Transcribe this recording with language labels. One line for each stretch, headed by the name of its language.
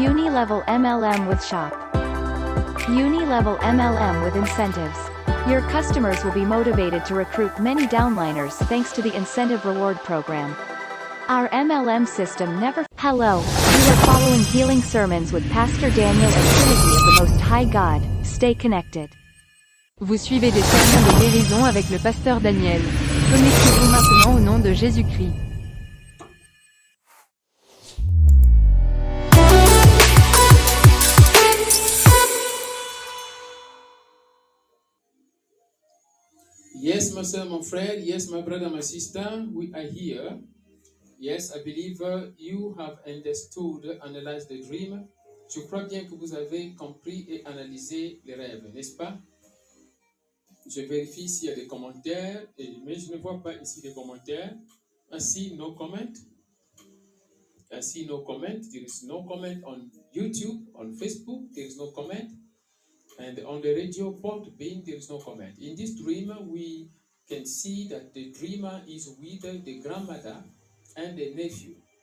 English: Uni-level MLM with shop. Uni-level MLM with incentives. Your customers will be motivated to recruit many downliners thanks to the incentive reward program. Our MLM system never... Hello, you are following Healing Sermons with Pastor Daniel and Trinity of the Most High God. Stay connected.
French: Vous suivez des sermons de guérison avec le pasteur Daniel. Connectez-vous maintenant au nom de Jésus-Christ.
English: Yes,
French: ma soeur, mon frère.
English: Yes, my brother, my sister. We are here. Yes, I believe you have understood, analyzed the dream.
French: Je crois bien que vous avez compris et analysé les rêves, n'est-ce pas? Je vérifie s'il y a des commentaires, mais je ne vois pas ici des commentaires. Ainsi,
English: no comment. Ainsi, no comment. There is no comment on YouTube, on Facebook, there is no comment. And on the radio port, being there is no comment. In this dream, we can see that the dreamer is with the grandmother and the nephew.